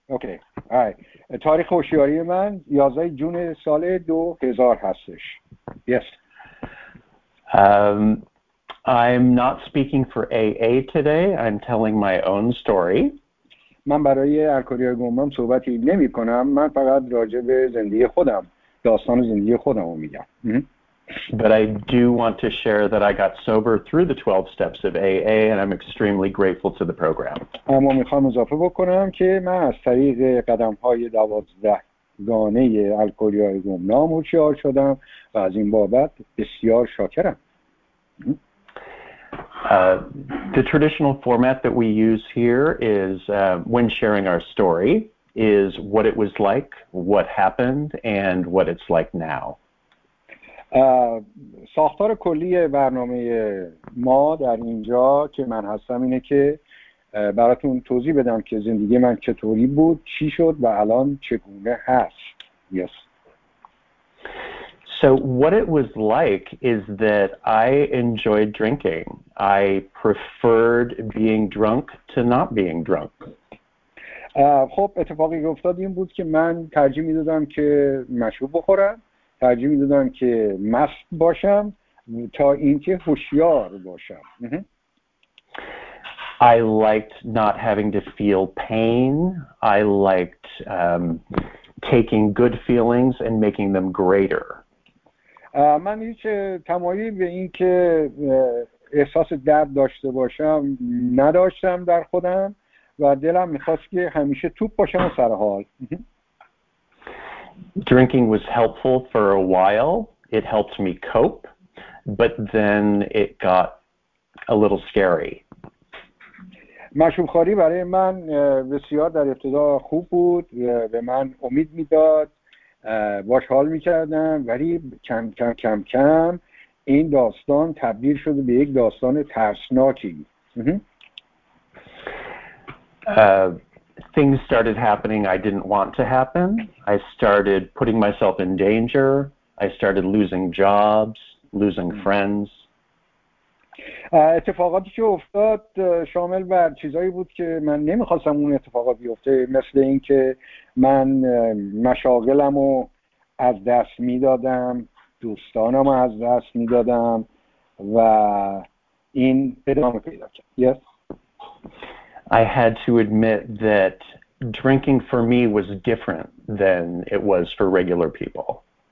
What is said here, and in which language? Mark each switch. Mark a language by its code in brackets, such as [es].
[en] Okay. All right. [fa] تاریخ هوشیاری من 11 جون سال 2000 هستش. [en] Yes. I'm not speaking for AA today. I'm telling my own story. [fa] من برای الکلی گمنام صحبتی نمی کنم. من فقط راجع به زندگی خودم، داستان زندگی خودم رو میگم. [en] But I do want to share that I got sober through the 12 steps of AA and I'm extremely grateful to the program. [fa] اما میخوام اضافه بکنم که من از طریق قدم‌های 12 گانه الکلی گمنام هوشیار شدم و از این بابت بسیار شاکرم. [en] The traditional format that we use here is when sharing our story is what it was like, what happened, and what it's like now. [fa] ساختار کلی برنامه ما در اینجا که من هستم اینه که براتون توضیح بدم که زندگی من چطوری بود، چی شد و الان چگونه هست. [en] Yes. So what it was like is that I enjoyed drinking. I preferred being drunk to not being drunk. [fa] خب اتفاقی که افتاد این بود که من ترجیح میدادم که مشروب بخورم، ترجیح میدادم که مست باشم تا اینکه هوشیار باشم. [en] I liked not having to feel pain. I liked taking good feelings and making them greater. [fa] من هیچ تمایلی به این که احساس درد داشته باشم نداشتم در خودم و دلم میخواست که همیشه توپ باشم و سر حال. [en] Drinking was helpful for a while. It helped me cope, but then it got a little scary. [fa] مشروب خوری برای من بسیار در ابتدا خوب بود، به من امید میداد، باش حال میکردم، ولی کم کم این داستان تبدیل شد به یک داستان ترسناکی. [en] Things started happening I didn't want to happen. I started putting myself in danger. I started losing jobs, losing friends. [fa] اتفاقاتی که افتاد شامل بر چیزایی بود که من نمیخواستم اون اتفاقات بیفته، مثل این که من مشاغلم و از دست میدادم، دوستانم رو از دست میدادم و این ادامه پیدا کرد. [en] Yes. I had to admit that drinking for me was different than it was for regular people.